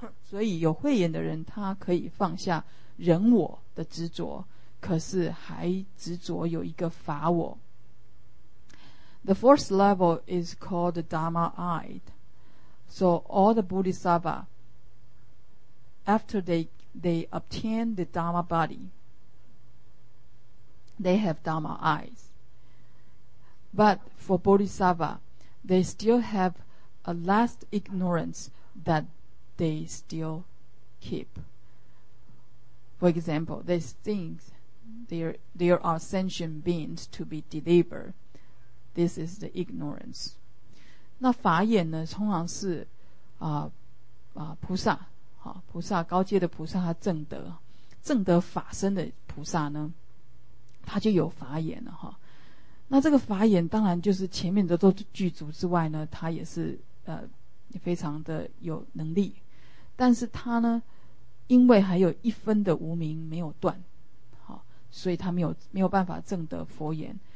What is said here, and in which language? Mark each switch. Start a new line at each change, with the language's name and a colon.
Chinese: 所以有慧眼的人他可以放下人我的执着，可是还执着有一个法我。
English: The fourth level is called Dharma eyed. So all the Bodhisattva, after they obtain the Dharma body, they have Dharma eyes. But for Bodhisattva, they still have a last ignorance thatthey still keep. For example, they think there are sentient beings to be delivered. This is the ignorance.
Chinese: 那法眼呢通常是菩萨，菩萨高阶的菩萨，他证得证得法身的菩萨呢，他就有法眼了哈。那这个法眼当然就是前面的都具足之外呢，他也是非常的有能力，但是他呢因为还有一分的无明没有断，所以他没有办法证得佛眼。